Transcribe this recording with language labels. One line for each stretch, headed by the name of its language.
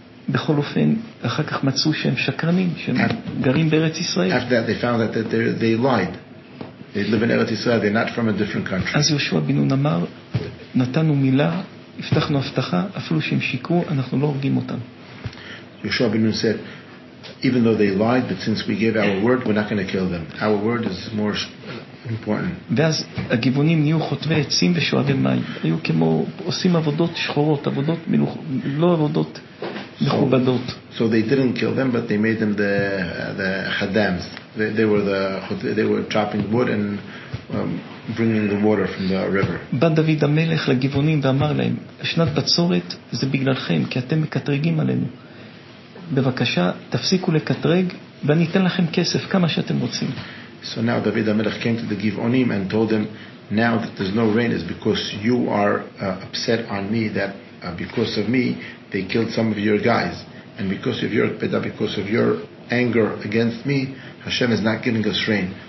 Hebrew: בכל אופן, אחר כך מצאו שהם שקרנים, שהם גרים בארץ ישראל.
English: After that, they found that they lied. They live in Eretz Israel, they're not from a different country.
Hebrew: אז יהושע בן נון אמר, נתנו מילה, הבטחנו הבטחה, אפילו שהם שיקרו, אנחנו לא הורגים אותם.
English: יהושע בן נון said, even though they lied, but since we gave our word, we're not going to kill them. Our word is more important.
Hebrew: ואז הגבעונים נהיו חוטבי עצים ושואבי מים. היו כמו, עושים עבודות שחורות, עבודות מלוכ... לא עבודות...
English: So they didn't kill them, but they made them the chadams. They were chopping wood and bringing the water from the river.
Hebrew: בא דוד המלך לגבעונים ואמר להם, שנת בצורת זה בגללכם, כי אתם מקטרגים עלינו. בבקשה, תפסיקו לקטרג, ואני אתן לכם כסף כמה שאתם רוצים.
English: So now David HaMelech came to the Givonim and told them, now that there's no rain is because you are upset on me that because of me they killed some of your guys, and because of your anger against me, Hashem is not giving us rain.